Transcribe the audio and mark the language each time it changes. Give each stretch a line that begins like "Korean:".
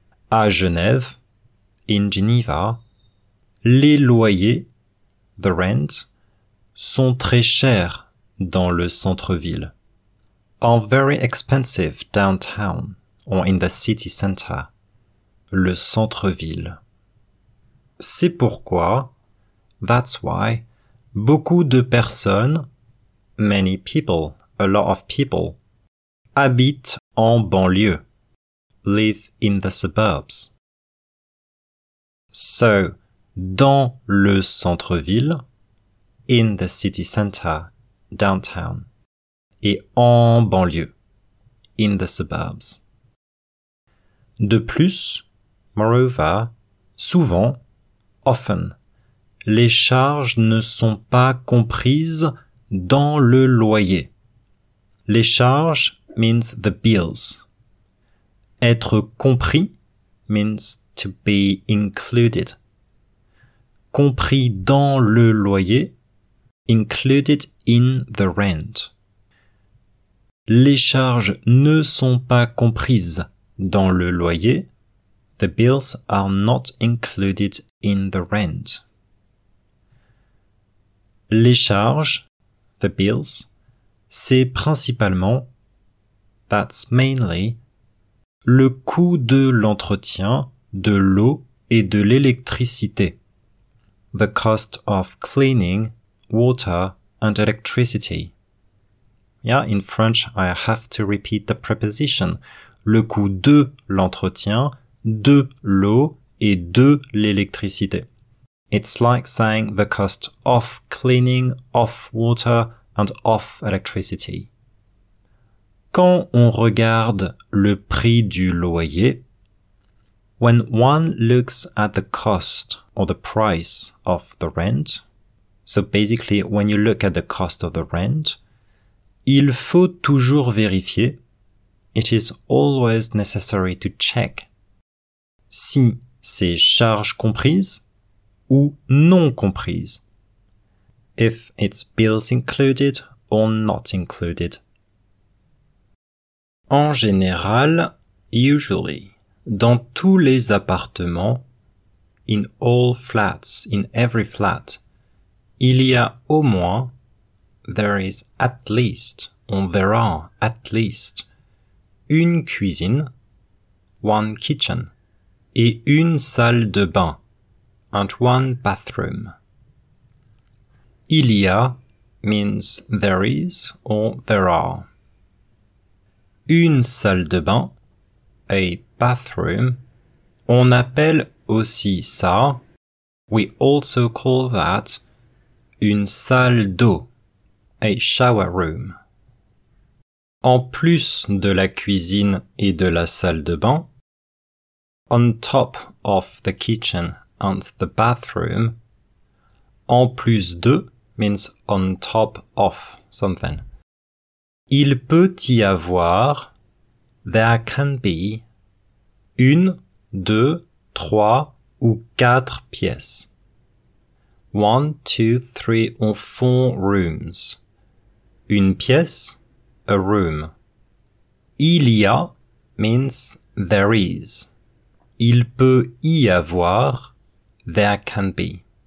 French: À Genève,
English: in Geneva,
French: les loyers,
English: the rent,
French: sont très chers dans le centre-ville.
English: Are very expensive downtown or in the city center.
French: Le centre-ville. C'est pourquoi,
English: that's why,
French: beaucoup de personnes,
English: many people, a lot of people,
French: habitent en banlieue,
English: live in the suburbs. So,
French: dans le centre-ville,
English: in the city center, downtown,
French: et en banlieue,
English: in the suburbs.
French: De plus,
English: moreover,
French: souvent,
English: often,
French: les charges ne sont pas comprises dans le loyer. Les charges
English: means the bills.
French: Être compris
English: means to be included.
French: Compris dans le loyer,
English: included in the rent.
French: Les charges ne sont pas comprises dans le loyer.
English: The bills are not included in the rent.
French: Les charges,
English: the bills,
French: c'est principalement,
English: that's mainly,
French: le coût de l'entretien, de l'eau et de l'électricité.
English: The cost of cleaning, water and electricity. Yeah, in French, I have to repeat the preposition.
French: Le coût de l'entretien, de l'eau et de l'électricité.
English: It's like saying the cost of cleaning, of water and of electricity.
French: Quand on regarde le prix du loyer,
English: when one looks at the cost or the price of the rent, so basically when you look at the cost of the rent,
French: il faut toujours vérifier,
English: it is always necessary to check,
French: si ces charges comprises ou non comprises,
English: if it's bills included or not included.
French: En général,
English: usually,
French: dans tous les appartements,
English: in all flats, in every flat,
French: il y a au moins,
English: there is at least, or there are at least,
French: une cuisine,
English: one kitchen,
French: et une salle de bain,
English: and one bathroom.
French: Il y a
English: means there is or there are.
French: Une salle de bain,
English: a bathroom,
French: on appelle aussi ça,
English: we also call that,
French: une salle d'eau,
English: a shower room.
French: En plus de la cuisine et de la salle de bain,
English: on top of the kitchen and the bathroom,
French: en plus de
English: means on top of something.
French: Il peut y avoir,
English: there can be,
French: une, deux, trois ou quatre pièces.
English: One, two, three or four rooms.
French: Une pièce,
English: a room.
French: Il y a
English: means there is.
French: Il peut y avoir,
English: there can be.